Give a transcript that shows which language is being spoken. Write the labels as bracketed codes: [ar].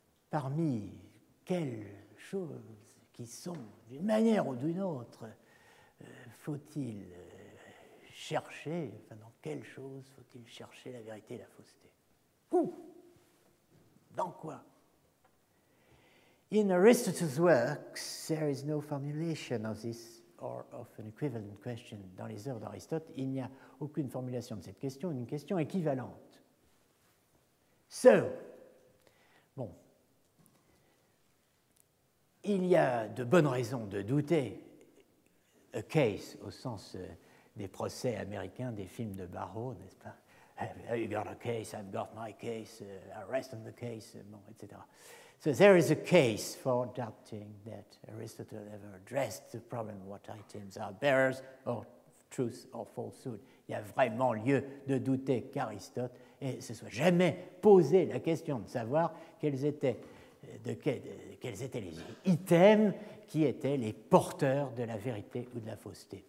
[fr] Parmi quelles choses qui sont, d'une manière ou d'une autre, faut-il chercher, enfin, dans quelles choses faut-il chercher la vérité et la fausseté? Où? Dans quoi? [en] In Aristotle's works, there is no formulation of this or of an equivalent question. [fr] Dans les œuvres d'Aristote, il n'y a aucune formulation de cette question, une question équivalente. So, bon, il y a de bonnes raisons de douter, a case au sens des procès américains, des films de Barrault, n'est-ce pas? [en] You got a case, I've got my case, arrest on the case, bon, etc. So there is a case for doubting that Aristotle ever addressed the problem of what items are bearers of truth or falsehood. [fr] Il y a vraiment lieu de douter qu'Aristote et se soit jamais posé la question de savoir quels étaient les items qui étaient les porteurs de la vérité ou de la fausseté.